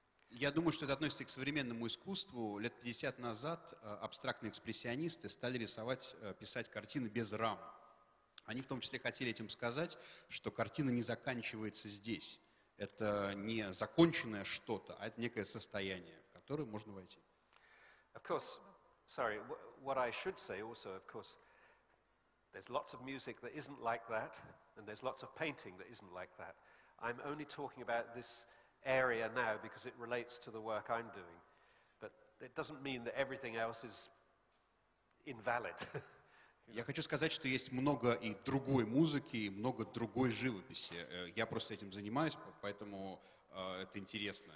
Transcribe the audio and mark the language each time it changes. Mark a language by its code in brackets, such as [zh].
[ru] Я думаю, что это относится к современному искусству. Лет 50 назад абстрактные экспрессионисты стали рисовать, писать картины без рам. Они в том числе хотели этим сказать, что картина не заканчивается здесь. Это не законченное что-то, а это некое состояние, в которое можно войти. [en] Of course, sorry, what I should say also, of course, there's lots of music that isn't like that, and there's lots of painting that isn't like that. I'm only talking about this area now because it relates to the work I'm doing, but it doesn't mean that everything else is invalid. [ru] Я хочу сказать, что есть много и другой музыки, и много другой живописи. Я просто этим занимаюсь, поэтому это интересно.